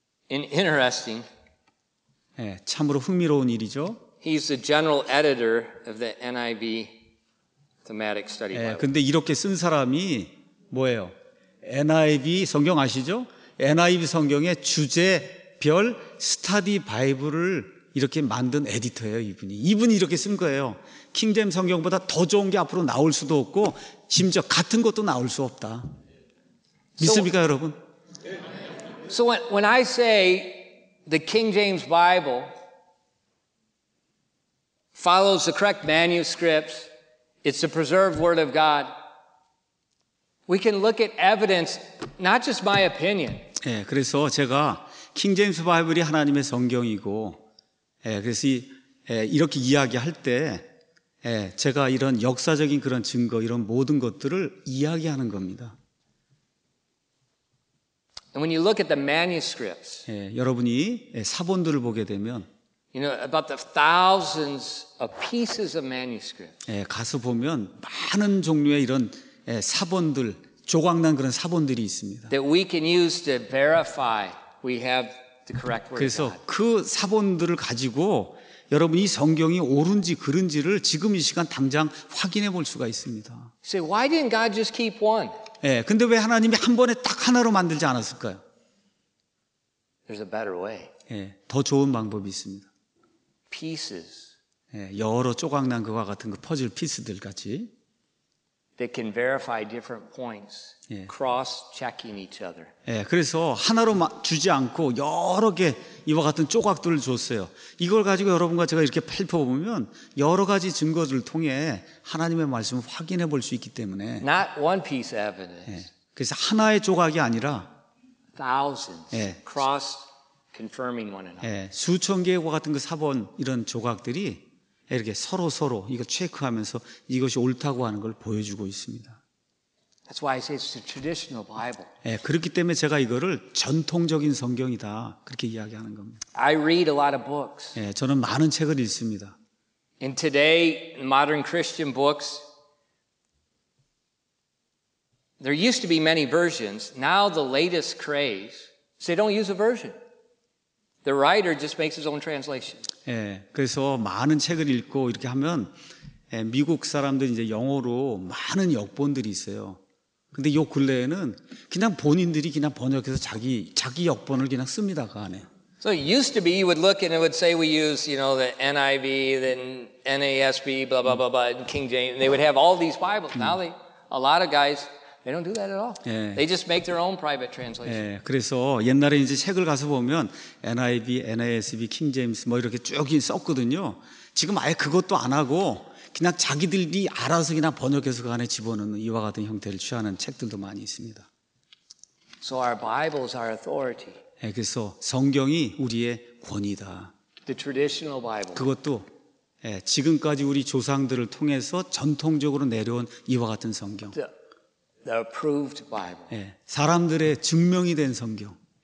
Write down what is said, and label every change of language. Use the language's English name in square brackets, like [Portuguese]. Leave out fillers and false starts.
[English] Interesting. [Korean] 예, 참으로 흥미로운 일이죠. [English] He's the general editor of the NIV thematic study Bible. [Korean] 예, 근데 이렇게 쓴 사람이 뭐예요? NIV 성경 아시죠? NIV 성경의 주제별 스터디 바이블을 이렇게 만든 에디터예요, 이분이. 이분이 이렇게 쓴 거예요. 킹 제임스 성경보다 더 좋은 게 앞으로 나올 수도 없고 심지어 같은 것도 나올 수 없다. 믿습니까, 여러분? [English] So when I say the King James Bible follows the correct manuscripts, it's the preserved word of God, we can look at evidence, not just my opinion. [Korean] 예, 그래서 제가 킹 제임스 바이블이 하나님의 성경이고, 예, 그래서 이렇게 이야기할 때, 예, 제가 이런 역사적인 그런 증거, 이런 모든 것들을 이야기하는 겁니다. [English] And when you look at the manuscripts, [Korean] 예, 여러분이 사본들을 보게 되면, [English] you know, about the thousands of pieces of manuscripts. [Korean] 예, 가서 보면 많은 종류의 이런 예, 사본들, 조각난 그런 사본들이 있습니다. [English] That we can use to verify we have the correct word. [Korean] 그래서 그 사본들을 가지고 여러분이 성경이 옳은지 그른지를 지금 이 시간 당장 확인해 볼 수가 있습니다. [English] So why didn't God just keep one? [Korean] 예, 근데 왜 하나님이 한 번에 딱 하나로 만들지 않았을까요? [English] There's a better way. [Korean] 예, 더 좋은 방법이 있습니다. [English] Pieces. [Korean] 예, 여러 조각난 그와 같은 그 퍼즐 피스들 같이. [English] They can verify different points, cross-checking each other. [Korean] 예, 그래서 하나로 주지 않고 여러 개 이와 같은 조각들을 줬어요. 이걸 가지고 여러분과 제가 이렇게 펼쳐보면 여러 가지 증거들을 통해 하나님의 말씀을 확인해 볼 수 있기 때문에. [English] Not one piece of evidence. [Korean] 예, 그래서 하나의 조각이 아니라 [English] thousands cross-confirming one another. [Korean] 예, 수천 개와 같은 그 사본 이런 조각들이. 이렇게 서로 이거 체크하면서 이것이 옳다고 하는 걸 보여주고 있습니다. [English] That's why I say it's a traditional Bible. [Korean] 예, 그렇기 때문에 제가 이거를 전통적인 성경이다 그렇게 이야기하는 겁니다. [English] I read a lot of books. [Korean] 예, 저는 많은 책을 읽습니다. [English] In today, modern Christian books, there used to be many versions. Now the latest craze, so they don't use a version. The writer just makes his own translation. [Korean] 예, 그래서 많은 책을 읽고 이렇게 하면 예, 미국 사람들 이제 영어로 많은 역본들이 있어요. 근데 요 근래에는 그냥 본인들이 그냥 번역해서 자기 역본을 그냥 씁니다 그 안에. [English] So it used to be you would look and it would say we use you know the NIV, then NASB, blah blah blah blah, King James. They would have all these Bibles. Now they, a lot of guys, They don't do that at all. 예. They just make their own private translation. [Korean] 예. 그래서 옛날에 이제 책을 가서 보면 NIV, NASB, King James 뭐 이렇게 쭉 썼거든요. 지금 아예 그것도 안 하고 그냥 자기들이 알아서 그냥 번역해서 그 안에 집어넣는 이와 같은 형태를 취하는 책들도 많이 있습니다. [English] So our Bibles are authority. [Korean] 예, 그래서 성경이 우리의 권위다. [English] The traditional Bible. [Korean] 그것도 예, 지금까지 우리 조상들을 통해서 전통적으로 내려온 이와 같은 성경. [English] The approved Bible. [Korean] 예, 사람들의 증명이 된 성경.